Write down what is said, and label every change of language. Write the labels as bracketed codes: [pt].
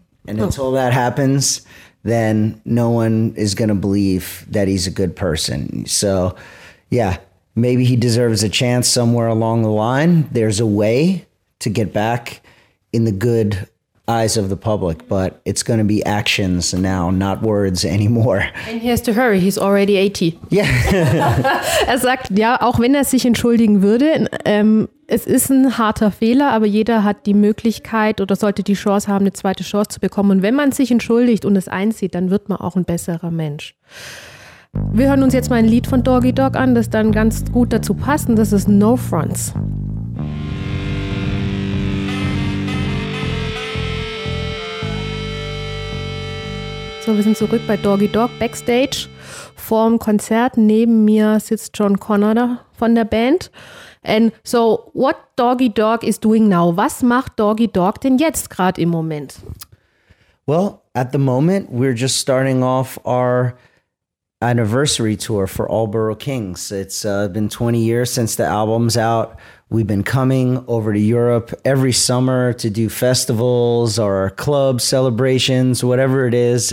[en] And until that happens, then no one is going to believe that he's a good person. So, yeah, maybe he deserves a chance somewhere along the line. There's a way to get back in the good eyes of the public, but it's going to be actions now, not words anymore. And he has to hurry. He's already 80. Yeah. [de] Er sagt, ja, auch wenn er sich entschuldigen würde, es ist ein harter Fehler, aber jeder hat die Möglichkeit oder sollte die Chance haben, eine zweite Chance zu bekommen. Und wenn man sich entschuldigt und es einsieht, dann wird man auch ein besserer Mensch. Wir hören uns jetzt mal ein Lied von Doggy Dogg an, das dann ganz gut dazu passt. Und das ist No Fronts. So, wir sind zurück bei Doggy Dogg backstage. Vorm Konzert neben mir sitzt John Connor von der Band. [en] And so, what Doggy Dogg is doing now? [de] Was macht Doggy Dogg denn jetzt gerade im Moment? [en] Well, at the moment, we're just starting off our anniversary tour for All Borough Kings. It's been 20 years since the album's out. We've been coming over to Europe every summer to do festivals or club celebrations, whatever it is.